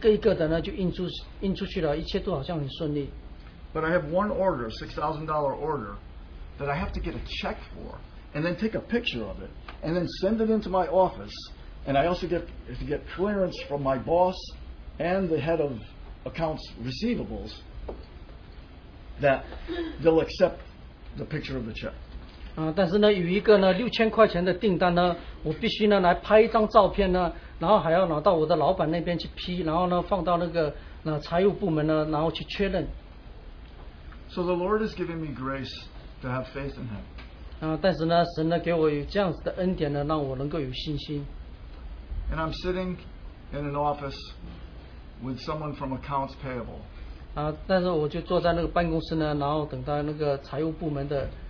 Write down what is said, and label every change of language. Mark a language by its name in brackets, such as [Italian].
[Chinese] 当我呢看到我的手机上面呢，我所来的那些订单呢，好像都一个一个的呢就印出去了，一切都好像很顺利。 [English] But I have one order, $6,000 order, that I have to get a check for, and then take a picture of it, and then send it into my office, and I also get to get clearance from my boss and the head of accounts receivables that they'll accept the picture of the check. [Chinese] 但是呢，有一个呢6000块钱的订单呢，我必须呢来拍一张照片呢，然后还要拿到我的老板那边去批，然后呢放到那个财务部门呢，然后去确认。 [English] So the Lord has given me grace to have faith in Him. [Chinese] 但是呢，神呢给我有这样子的恩典呢，让我能够有信心。 [English] And I'm sitting in an office with someone from accounts payable. [Chinese] 但是我就坐在那个办公室呢，然后等待那个财务部门的。